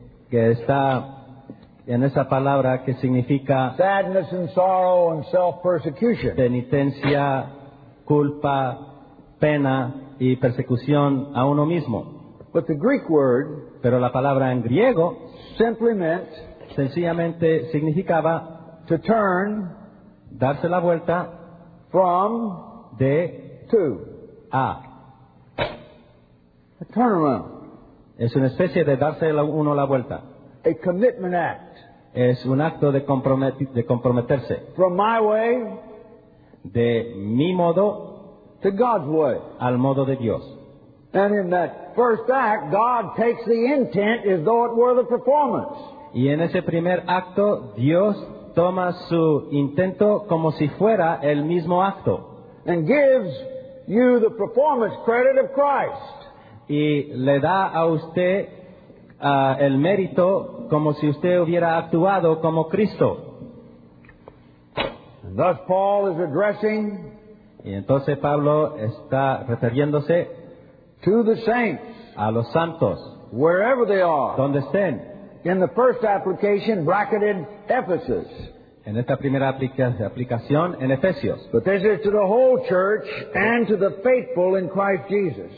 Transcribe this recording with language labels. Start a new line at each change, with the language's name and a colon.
Spanish: Que está en esa palabra que significa
English: sadness and sorrow and self-persecution.
Spanish: Penitencia, culpa, pena y persecución a uno mismo.
English: But the Greek word,
Spanish: pero la palabra en griego,
English: simply meant,
Spanish: sencillamente significaba
English: to turn,
Spanish: darse la vuelta,
English: from,
Spanish: de,
English: to,
Spanish: a.
English: A turnaround.
Spanish: Es una especie de darse uno la vuelta.
English: A commitment act.
Spanish: Es un acto de comprometerse.
English: From my way,
Spanish: de mi modo,
English: to God's way,
Spanish: al modo de Dios.
English: And in that first act, God takes the intent as though it were the performance.
Spanish: Y en ese primer acto, Dios toma su intento como si fuera el mismo acto.
English: and gives you the performance credit of Christ.
Spanish: Y le da a usted el mérito como si usted hubiera actuado como Cristo.
English: And thus Paul is addressing.
Spanish: Y entonces Pablo está refiriéndose
English: to the saints,
Spanish: a los santos,
English: wherever they are,
Spanish: donde estén.
English: In the first application, bracketed Ephesus.
Spanish: En esta primera aplicación, en Efesios.
English: But this is to the whole church and to the faithful in Christ Jesus.